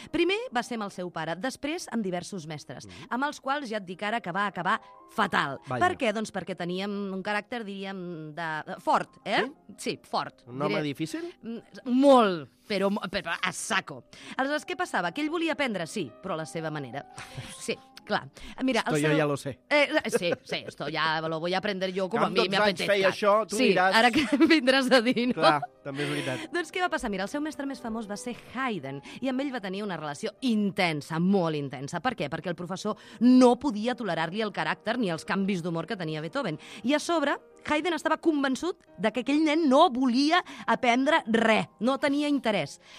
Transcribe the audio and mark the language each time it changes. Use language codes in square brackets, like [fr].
[ca] Primer va ser amb el seu pare, després amb diversos mestres, amb els quals ja et dic ara que va acabar fatal. Vaja. Per què? Doncs perquè teníem un caràcter, diríem, de fort, eh? Sí, sí, fort. Un home difícil? Molt. Però a saco. Aleshores, què passava? Que ell volia aprendre, sí, però a la seva manera. Sí, clar. Mira, [es] esto ya lo sé. Sí, sí, esto ya lo voy a aprender yo como a mí me apetezca. [ca] Quan tots anys feia això, tu sí, diràs... Sí, ara que vindràs a dir, no? Clar, també és veritat. Doncs què va passar? Mira, el seu mestre més famós va ser Haydn, i amb ell va tenir una relació intensa, molt intensa. Per què? Perquè el professor no podia tolerar-li el caràcter ni els canvis d'humor que tenia Beethoven. I a sobre, Haydn estava convençut de que aquell nen no volia aprendre res, no tenia interès.